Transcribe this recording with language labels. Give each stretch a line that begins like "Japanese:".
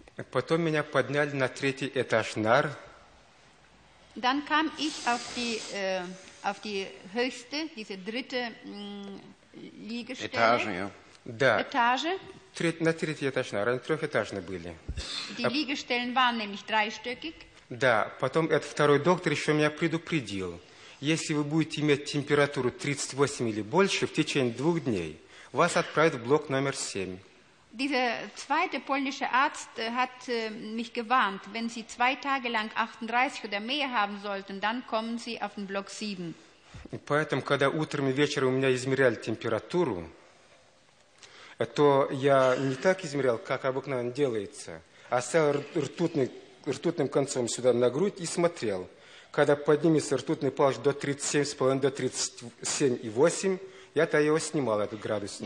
Russian: Потом меня подняли на третий этаж нар.
German: Dann kam ich auf die höchste, diese dritte Liegestelle.
Russian: Да. На третий этаж, они трехэтажные были.
German: Liegestellen waren nämlich dreistöckig.
Russian: Да, потом этот второй доктор еще меня предупредил. Если вы будете иметь температуру 38 или больше в течение двух дней, вас отправят в блок номер 7.
German: Dieser zweite polnische Arzt hat mich gewarnt, wenn Sie zwei Tage lang 38 oder mehr haben sollten, dann kommen Sie auf den Block 7.
Russian: Поэтому, когда утром и вечером у меня измеряли температуру, то я не так измерял, как обыкновенно делается, а стоял ртутным концом сюда на грудь и смотрел. Когда поднимется ртутный палец до 37,5, до 37,8, я тогда его снимал, этот градусник.